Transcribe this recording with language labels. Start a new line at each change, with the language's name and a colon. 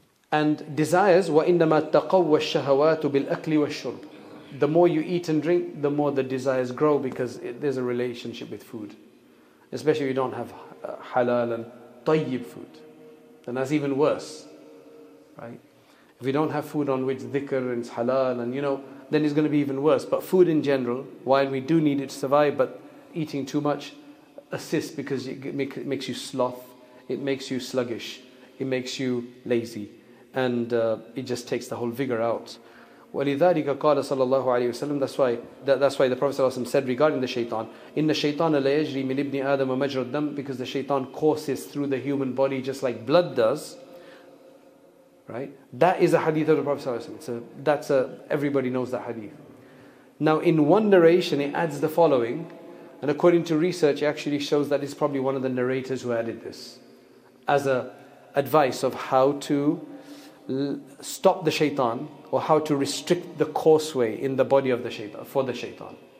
English: And desires,
Arabic: وَإِنَّمَا تَقَوَّ الشَّهَوَاتُ بِالْأَكْلِ وَالشُّرْبِ.
English: The more you eat and drink, the more the desires grow because there's a relationship with food. Especially if you don't have halal and طيب food, then that's even worse, right? If you don't have food on which dhikr and halal, and you know, then it's going to be even worse. But food in general, while we do need it to survive, but eating too much assists because it makes you sloth, it makes you sluggish, it makes you lazy, and it just takes the whole vigor out.
Arabic: وَلِذَٰلِكَ قَالَ صَلَّى اللَّهُ عَلَيْهِ وَسَلَّمَ.
English: That's why the Prophet ﷺ said regarding the shaitan,
Arabic: إِنَّ الشَّيْطَانَ لَيَجْرِي مِنْ إِبْنِ آدَمَ مَجْرَ الدَّمِ.
English: Because the shaitan courses through the human body just like blood does. Right? That is a hadith of the Prophet ﷺ. Everybody knows that hadith. Now in one narration it adds the following, and according to research it actually shows that it's probably one of the narrators who added this as a advice of how to stop the shaitan, or how to restrict the causeway in the body of the shaitan, for the shaitan.